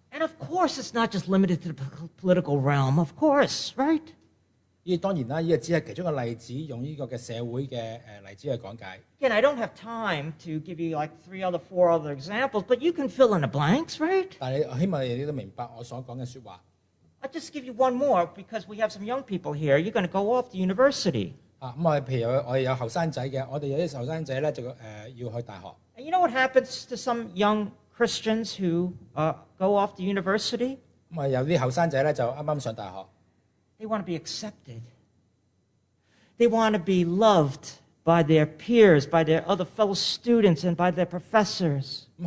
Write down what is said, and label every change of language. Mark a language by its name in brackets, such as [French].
[English] And of course, it's not just limited to the political realm. Of course, right? [Cantonese] 依當然啦，依個只係其中一個例子，用依個嘅社會嘅例子去講解。 [English] Again, I don't have time to give you like three other, four other examples, but you can fill in the blanks, right? [Cantonese] 但係希望你都明白我所講嘅説話。 [English] I'll just give you one more because we have some young people here. You're going to go off to university. [Cantonese] 譬如我哋有後生仔嘅，我哋有啲後生仔咧就要去大學。 [English] And you know what happens to some young Christians who go off to university? [Cantonese] 有啲後生仔咧就啱啱上大學。 [English] They want to be accepted. They want to be loved by their peers, by their other fellow students, and by their professors.